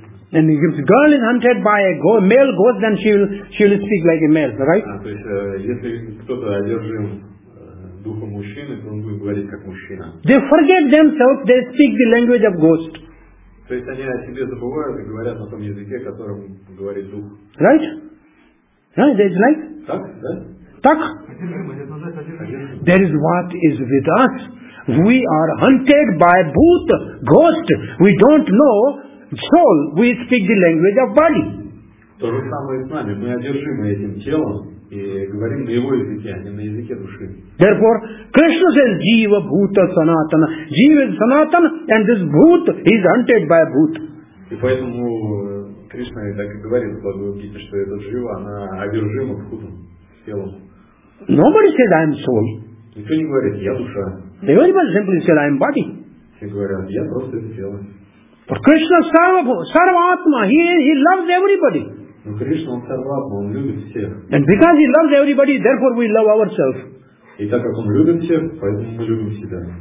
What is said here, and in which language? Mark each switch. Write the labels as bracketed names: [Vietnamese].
[English] And if the girl is hunted by a male ghost, then she will speak like a male, right? [Russian] То есть если кто-то одержим духом мужчины, то он будет говорить как мужчина. [English] They forget themselves, they speak the language of ghost. [Russian] То есть они о себе забывают и говорят на том языке, которым говорит дух. [English] Right? Right, that's right. [Russian] Так, да? [English] Так. There is what is with us. We are hunted by bhut, ghost. We don't know soul. We speak the language of body. [Russian] То же самое с нами. Мы одержимы этим телом и говорим на его языке, а не на языке души. [English] Therefore, Krishna says, jiva bhuta sanatana. Jiva is sanatana, and this bhut is hunted by bhut. [Russian] И поэтому Кришна так и говорит в Бхагавад Гите, что это жива, она одержима бхутом, телом. [English] Nobody says I am soul. [Russian] Никто не говорит, я душа. [English] Everybody simply says I am body. [Russian] Все говорят, я просто это тело. [English] But Krishna sarvatma, he loves everybody. [Russian] Но Кришна он сарватма, он любит всех. [English] And because he loves everybody, therefore we love ourselves. [Russian] И так как мы любим всех, поэтому мы любим себя.